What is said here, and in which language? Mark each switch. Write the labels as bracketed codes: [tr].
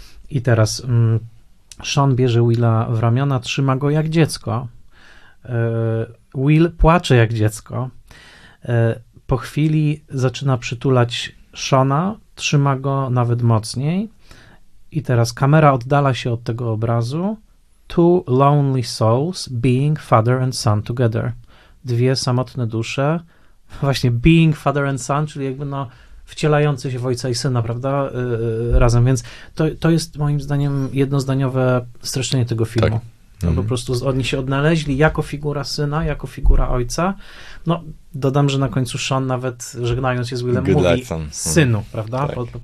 [pl] I teraz Sean bierze Willa w ramiona, trzyma go jak dziecko. Will płacze jak dziecko. Po chwili zaczyna przytulać Seana, trzyma go nawet mocniej. I teraz kamera oddala się od tego obrazu. [en] Two lonely souls being father and son together. [pl] Dwie samotne dusze. Właśnie [en] being father and son, [pl] czyli jakby no wcielający się w ojca i syna, prawda, razem, więc to jest moim zdaniem jednozdaniowe streszczenie tego filmu. Tak. Po prostu oni się odnaleźli jako figura syna, jako figura ojca. No, dodam, że na końcu Sean nawet żegnając się z Willem [en] good [pl] mówi [en] life, son. [pl] Synu, prawda? Tak.